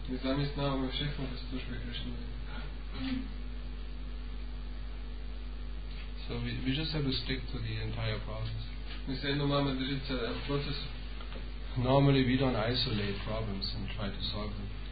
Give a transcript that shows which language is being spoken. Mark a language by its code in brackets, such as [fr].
[cs] My zaměstnáváme všechno ve službě Krishna. [en] So we just have to stick to the entire process. [cs] My se jenom máme držet celého procesu. [en] Normally we don't isolate problems and try to solve them.